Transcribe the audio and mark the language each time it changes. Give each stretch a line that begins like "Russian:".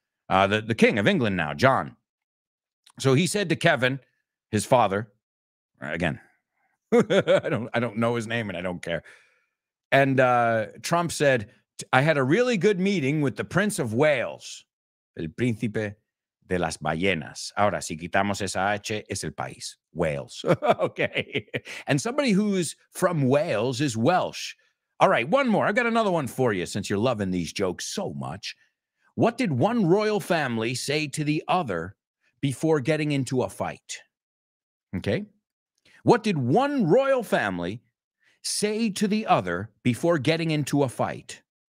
English: The King of England now, John. So he said to Kevin, his father, again, I don't know his name and I don't care. And Trump said, I had a really good meeting with the Prince of Wales.
Spanish: El Príncipe de las Ballenas. Ahora, si quitamos esa H, es el país.
English: Wales. Okay. And somebody who's from Wales is Welsh. All right, one more. I've got another one for you since you're loving these jokes so much. What did one royal family say to the other before getting into a fight? Okay. What did one royal family say to the other before getting into a fight?